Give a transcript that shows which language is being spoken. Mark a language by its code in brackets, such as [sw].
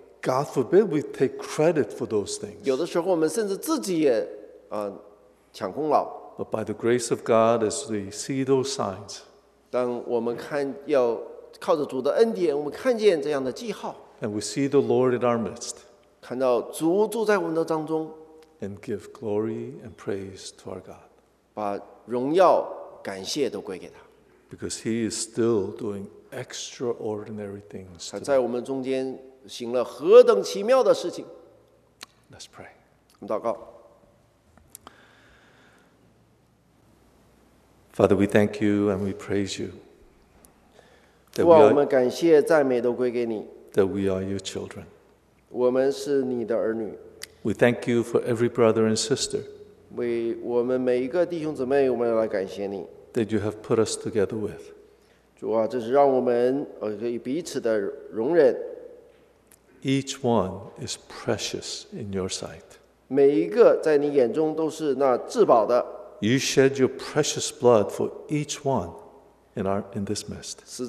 [en] God forbid we take credit for those things. [zh] 有的时候我们甚至自己也抢功劳。 [en] But by the grace of God, as we see those signs, [zh] 当我们看要靠着主的恩典，我们看见这样的记号 [en] ，and we see the Lord in our midst， [zh] 看到主住在我们的当中 [en] ，and give glory and praise to our God， [zh] 把荣耀感谢都归给他 [en] ，because He is still doing extraordinary things。 [zh] 他在我们中间行了何等奇妙的事情 [en] ，Let's pray， [zh] 我们祷告。 [en] Father, we thank you and we praise you. [zh] 主啊，我们感谢赞美都归给你。 [en] That we are your children. [zh] 我们是你的儿女。 [en] We thank you for every brother and sister. [zh] 为我们每一个弟兄姊妹，我们来感谢你。 [en] That you have put us together with. [zh] 主啊，这是让我们可以彼此的容忍。 [en] Each one is precious in your sight. [zh] 每一个在你眼中都是那至宝的。 [en] You shed your precious blood for each one in this midst.